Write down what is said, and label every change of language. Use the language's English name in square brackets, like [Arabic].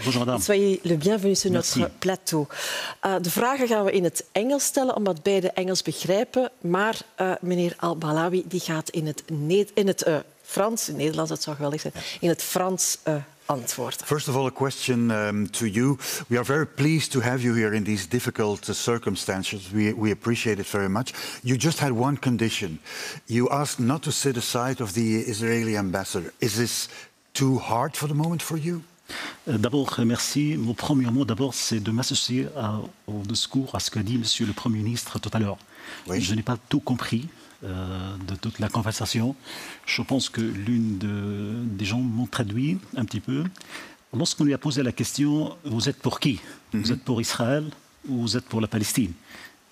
[French] Bonjour, madame. Soyez le bienvenu sur notre Merci. Plateau. [Dutch] De vragen gaan we in het Engels stellen, omdat beide Engels begrijpen. Maar meneer Al-Balawi die gaat in het Frans, in Nederlands, dat zou geweldig zijn, in het Frans antwoorden. [English] First of all, a question to you. We are very pleased to have you here in these difficult circumstances. We appreciate it very much. You just had one condition. You asked not to sit aside of the Israeli ambassador. Is this too hard for the moment for you? [French] D'abord, merci. Mon premier mot, d'abord, c'est de m'associer au discours, à ce qu'a dit monsieur le premier ministre tout à l'heure. Oui. Je n'ai pas tout compris. De toute la conversation. Je pense que l'une des gens m'ont traduit un petit peu. Lorsqu'on lui a posé la question, vous êtes pour qui ? Mm-hmm. Vous êtes pour Israël ou vous êtes pour la Palestine ?